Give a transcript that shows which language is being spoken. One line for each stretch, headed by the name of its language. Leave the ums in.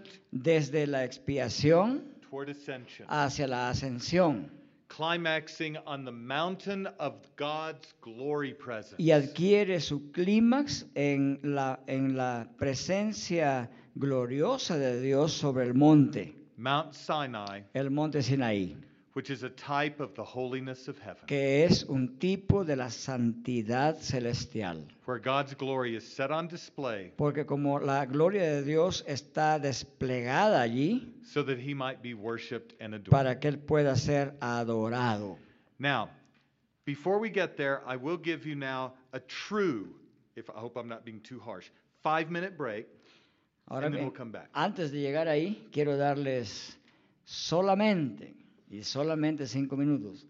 Spanish: desde la expiación hacia la ascensión
English: climaxing on the mountain of God's glory presence.
Spanish: Y adquiere su clímax en la en la presencia gloriosa de Dios sobre el monte.
English: Mount
Spanish: Sinai. El monte Sinaí.
English: which is a type of the holiness of heaven.
Spanish: Que es un tipo de la santidad celestial.
English: Where God's glory is set on display.
Spanish: Porque como la gloria de Dios está desplegada allí.
English: So that he might be worshiped and adored.
Spanish: Para que él pueda ser adorado.
English: Now, before we get there, I will give you now a true, if I hope I'm not being too harsh, 5 minute break.
Spanish: Ahora
English: and me, then we'll come back.
Spanish: Antes de llegar ahí, quiero darles solamente Y solamente cinco minutos.